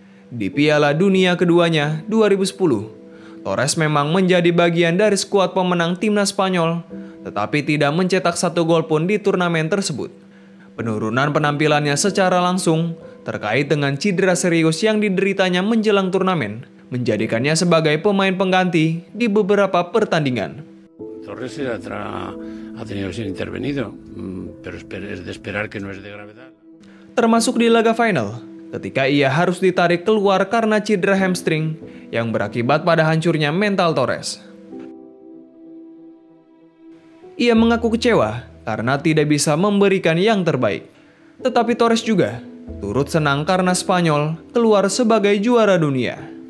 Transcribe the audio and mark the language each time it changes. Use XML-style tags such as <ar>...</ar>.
<id>Di Piala Dunia keduanya, 2010, Torres memang menjadi bagian dari skuad pemenang Timnas Spanyol, tetapi tidak mencetak satu gol pun di turnamen tersebut. Penurunan penampilannya secara langsung terkait dengan cedera serius yang dideritanya menjelang turnamen, menjadikannya sebagai pemain pengganti di beberapa pertandingan.</id> <es>Torres ha tenido sin intervenido, pero es de esperar que no es de gravedad.</es> <id>Termasuk di laga final, ketika ia harus ditarik keluar karena cedera hamstring yang berakibat pada hancurnya mental Torres. Ia mengaku kecewa karena tidak bisa memberikan yang terbaik. Tetapi Torres juga turut senang karena Spanyol keluar sebagai juara dunia.</id>